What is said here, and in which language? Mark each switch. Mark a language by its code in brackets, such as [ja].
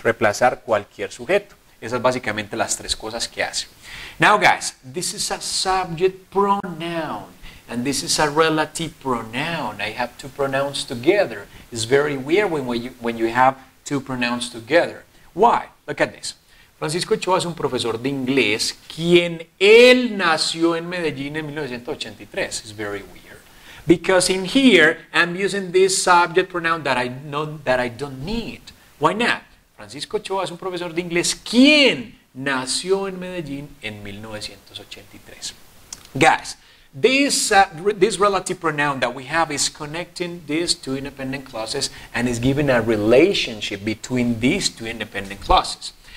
[es] Reemplazar cualquier sujeto. Esas básicamente las tres cosas que hace. [en] Now, guys, this is a subject pronoun and this is a relative pronoun. I have two pronouns together. It's very weird when you have two pronouns together. Why? Look at this. [es] Francisco Choa es un profesor de inglés quien él nació en Medellín en 1983. [en] It's very weird. Because in here, I'm using this subject pronoun that I know that I don't need. Why not? [es] Francisco Choa es un profesor de inglés quien nació en Medellín en 1983. [en] Guys, this relative pronoun that we have is connecting these two independent clauses and is giving a relationship between these two independent clauses.